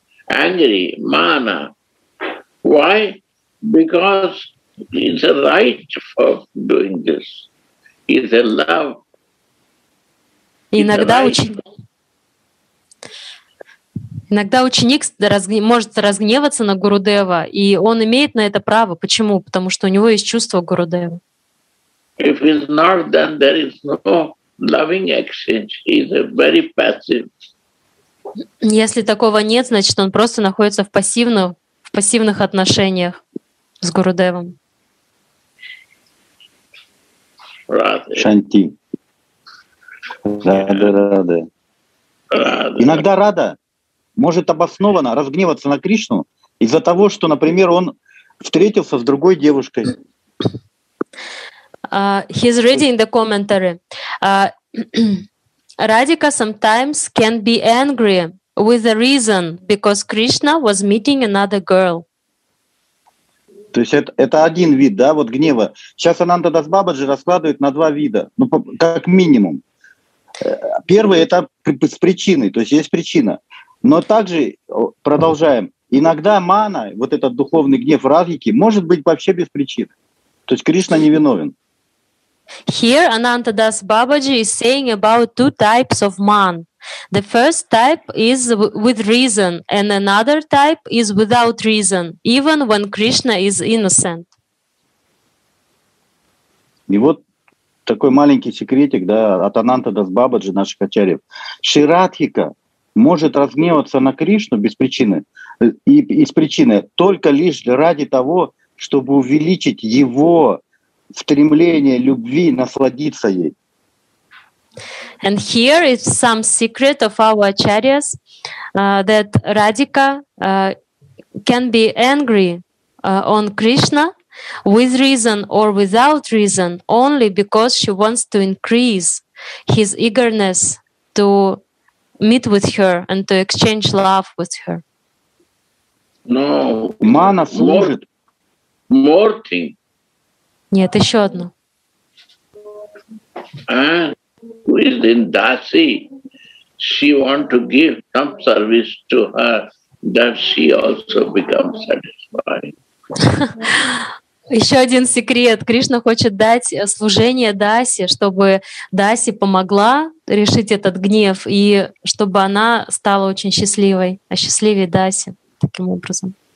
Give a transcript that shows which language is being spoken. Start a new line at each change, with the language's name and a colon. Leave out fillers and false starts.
English: Angry, mana. Why? Because it's a right for doing this. It's a love.
Russian: Иногда иногда ученик может разгневаться на Гурудева, и он имеет на это право. Почему? Потому что у него есть чувство Гурудева.
English: If it's not, then there is no loving exchange. He's a very passive.
Russian: Если такого нет, значит, он просто находится в пассивных отношениях с Гурудевом. Шанти. Рада. Иногда рада может обоснованно разгневаться на Кришну из-за того, что, например, он встретился с другой девушкой.
English: He's reading the commentary. Radhika sometimes can be angry with the reason because Krishna was meeting another girl.
Russian: То есть это один вид, да, вот гнева. Сейчас Ананда Дас Бабаджи раскладывает на два вида, ну, как минимум. Первый — это с причиной, то есть есть причина. Но также, продолжаем, иногда мана, вот этот духовный гнев Радхики, может быть вообще без причины. То есть Кришна не виновен.
English: Here Ananta Das Babaji is saying about two types of man. The first type is with reason, and another type is without reason, even when Krishna is innocent.
Russian: И вот такой маленький секретик, да, от Ананта Дас Бабаджи, наших ачарьев. Ширадхика может разгневаться на Кришну без причины, и из причины только лишь ради того, чтобы увеличить его стремление любви, насладиться ей.
English: And here is some secret of our acharyas that Radhika can be angry on Krishna with reason or without reason only because she wants to increase his eagerness to meet with her and to exchange love with her. No,
Russian: mana служит.
English: More thing.
Russian: Нет, еще одно.
English: Who is in Dasi, she want to give some service to her, that she also becomes satisfied.
Russian: Еще один секрет. Кришна хочет дать служение Даси, чтобы Даси помогла решить этот гнев, и чтобы она стала очень счастливой, а счастливее Даси таким образом.